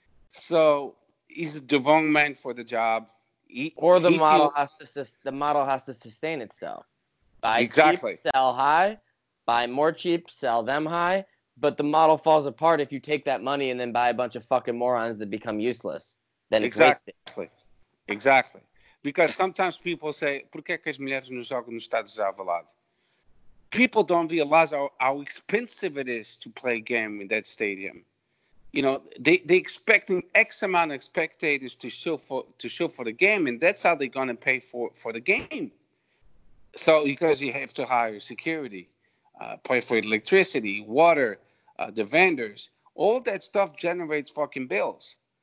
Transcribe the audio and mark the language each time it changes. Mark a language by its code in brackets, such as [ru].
[en] So he's the wrong man for the job. The model has to sustain itself. Buy exactly. Cheap, sell high, buy more cheap, sell them high. But the model falls apart if you take that money and then buy a bunch of fucking morons that become useless. Then it's exactly. Wasted. Exactly. Because sometimes people say, [pt] por que as mulheres não jogam nos estádios Alvalade? [en] People don't realize how expensive it is to play a game in that stadium. You know, they're expecting X amount of spectators to show for the game, and that's how they're going to pay for the game. So because you have to hire security. Pay for electricity, water, the vendors, all that stuff generates fucking bills.